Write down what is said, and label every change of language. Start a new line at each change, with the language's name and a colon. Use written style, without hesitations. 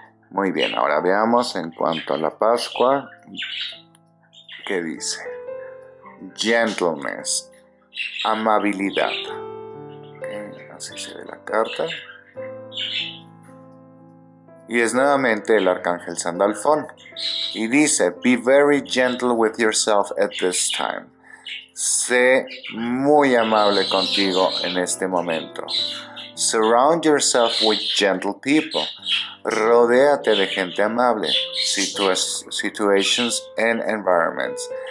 Spanish: Muy bien, ahora veamos en cuanto a la Pascua, ¿qué dice? Gentleness, amabilidad. Así se ve la carta. Y es nuevamente el arcángel Sandalfón. Y dice,
English: be very gentle with yourself at this time.
Spanish: Sé muy amable contigo en este momento.
English: Surround yourself with gentle people.
Spanish: Rodéate de gente amable.
English: Situations and environments.